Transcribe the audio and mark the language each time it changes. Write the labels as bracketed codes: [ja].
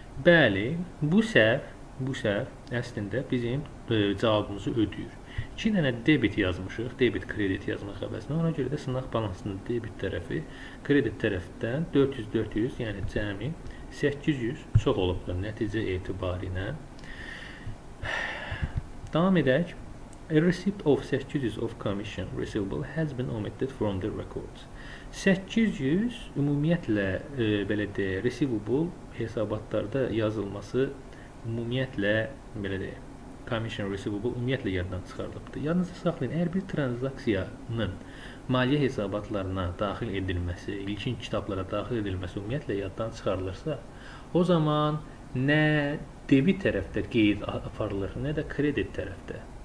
[az] Bəli, bu səhv əslində bizim cavabımızı ödəyir. 2 dənə debit yazmışıq, debit kredit yazmaq əvəzinə. Ona görə də sınaq balansının debit tərəfi kredit tərəfdən 400-400, yəni cəmi 800 çox olubdur nəticə etibarilə. Davam edək. [en] A receipt of 800 of commission receivable has been omitted from the records. [az] 800 ümumiyyətlə belə deyək, receivable hesabatlarda yazılması ümumiyyətlə belə deyək, commission receivable ümumiyyətlə yaddan çıxarılıbdır. Yadınızda saxlayın, əgər bir transaksiyanın maliyyə hesabatlarına daxil edilməsi, ilkin kitablara daxil edilməsi ümumiyyətlə yaddan çıxarılırsa, o zaman nə debit tərəfdə qeyd aparılır, nə də kredit tərəfdə.